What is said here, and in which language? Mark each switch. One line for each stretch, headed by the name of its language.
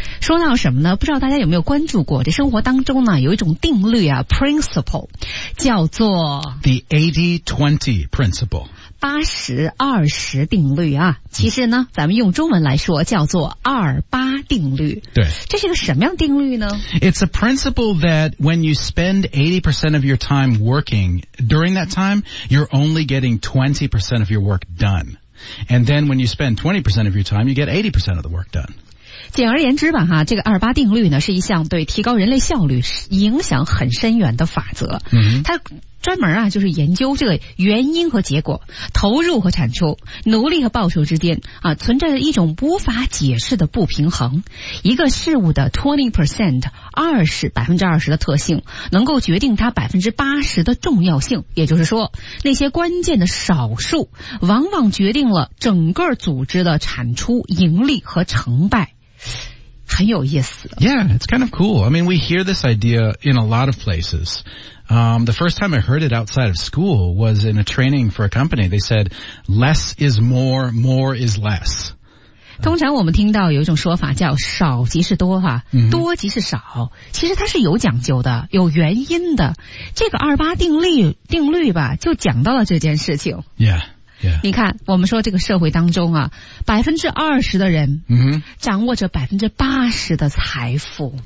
Chinese: 说到什么呢？不知道大家有没有关注过，这生活当中呢，有一种定律啊 ，principle， 叫做
English: the 80-20 principle，
Chinese: 80-20定律啊。其实呢，咱们用中文来说，叫做28定律。对，这是一个什么样定律呢
English: ？It's a principle that when you spend 80% of your time working during that time, you're only getting 20% of your work done. And then when you spend 20% of your time, you get 80% of the work done.
Chinese: 简而言之吧，这个28定律呢，是一项对提高人类效率影响很深远的法则。它专门啊，就是研究这个原因和结果，投入和产出，努力和报酬之间啊，存在着一种无法解释的不平衡。一个事物的 20%， 20% 的特性，能够决定它 80% 的重要性。也就是说，那些关键的少数，往往决定了整个组织的产出、盈利和成败。很有意思。
English: Yeah, it's kind of cool. I mean, we hear this idea in a lot of places. The first time I heard it outside of school was in a training for a company. They said, less is more, more is less.
Chinese: 通常我们听到有一种说法叫少即是多哈，多即是少。其实它是有讲究的，有原因的。这个28定律吧，就讲到了这件事情。
English: Yeah. Yeah.
Chinese: 你看我们说这个社会当中啊 ,20% 的人掌握着 80% 的财富。